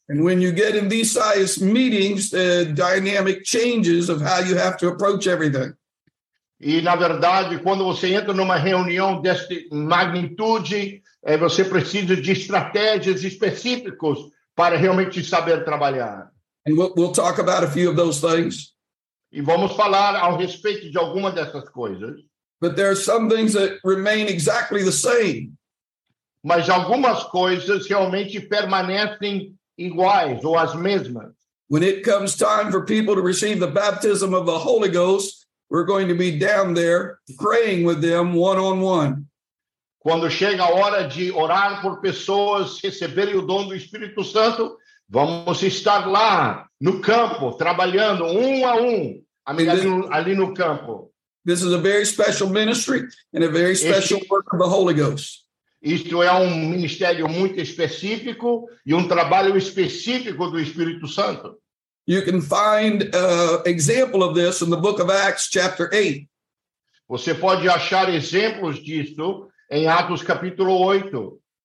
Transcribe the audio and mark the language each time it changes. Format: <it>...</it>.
<en>And when you get in these size meetings, the dynamic changes of how you have to approach everything.</en> <pt>E, na verdade, quando você entra numa reunião desta magnitude, você precisa de estratégias específicas para realmente saber trabalhar.</pt> <en>And we'll talk about a few of those things.</en> <pt>E vamos falar ao respeito de algumas dessas coisas.</pt> <en>But there are some things that remain exactly the same.</en> <pt>Mas algumas coisas realmente permanecem iguais ou as mesmas.</pt> <en>When it comes time for people to receive the baptism of the Holy Ghost, we're going to be down there praying with them one-on-one.</en> <pt>Quando chega a hora de orar por pessoas receberem o dom do Espírito Santo, vamos estar lá no campo, trabalhando um a um, ali no campo.</pt> <en>This is a very special ministry and a very special work of the Holy Ghost.</en> <pt>Isto é ministério muito específico e trabalho específico do Espírito Santo.</pt> <en>You can find example of this in the book of Acts, chapter 8.</en> <pt>Você pode achar exemplos disso em Atos, capítulo 8.</pt>